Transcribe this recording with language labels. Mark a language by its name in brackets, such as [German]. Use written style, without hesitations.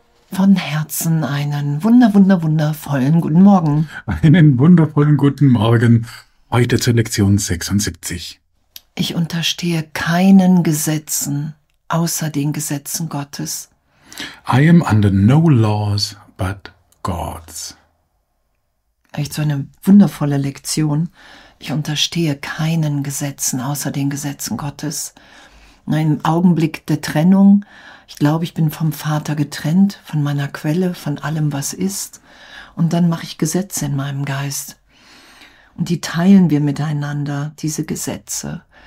[German] Von Herzen einen wundervollen guten Morgen. Einen wundervollen guten Morgen, heute zur Lektion 76. Ich unterstehe keinen Gesetzen außer den Gesetzen Gottes. [English] I am under no laws but God's. [German] Echt so eine wundervolle Lektion. Ich unterstehe keinen Gesetzen außer den Gesetzen Gottes. In einem Augenblick der Trennung. Ich glaube, ich bin vom Vater getrennt, von meiner Quelle, von allem, was ist. Und dann mache ich Gesetze in meinem Geist. Und die teilen wir miteinander, diese Gesetze.